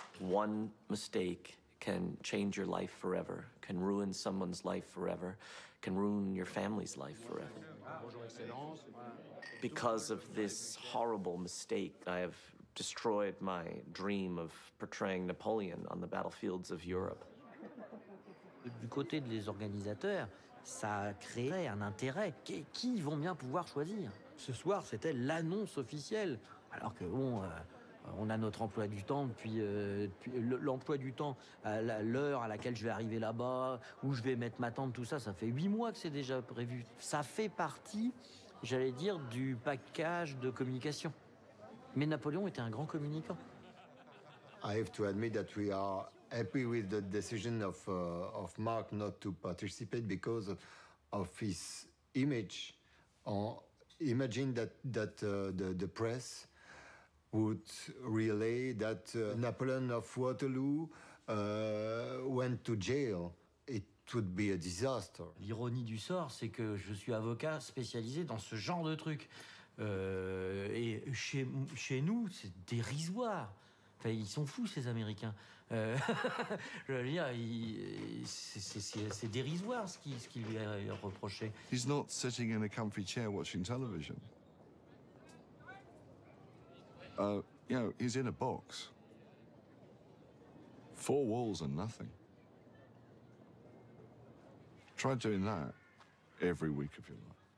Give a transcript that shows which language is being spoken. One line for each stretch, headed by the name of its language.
English: One mistake can change your life forever, can ruin someone's life forever, can ruin your family's life forever. Because of this horrible mistake, I have destroyed my dream of portraying Napoleon on the battlefields of Europe.
French: Du côté des organisateurs, ça créait un intérêt. Qui vont bien pouvoir choisir? Ce soir, c'était l'annonce officielle. Alors que bon, on a notre emploi du temps, puis l'emploi du temps, l'heure à laquelle je vais arriver là-bas, où je vais mettre ma tente, tout ça, ça fait 8 mois que c'est déjà prévu. Ça fait partie, j'allais dire, du package de communication. Mais Napoléon était un grand communicant.
English: I have to admit that we are happy with the decision of Mark not to participate because of his image. Imagine that the press would relay that Napoleon of Waterloo went to jail, it would be a disaster.
French: L'ironie du sort, c'est que je suis avocat spécialisé dans ce genre de truc. Et chez nous, c'est dérisoire. Enfin, ils sont fous, ces Américains. je veux dire, c'est dérisoire ce qu'il lui a reproché.
English: He's not sitting in a comfy chair watching television. You know, he's in a box. Four walls and nothing. Try doing that every week of your life.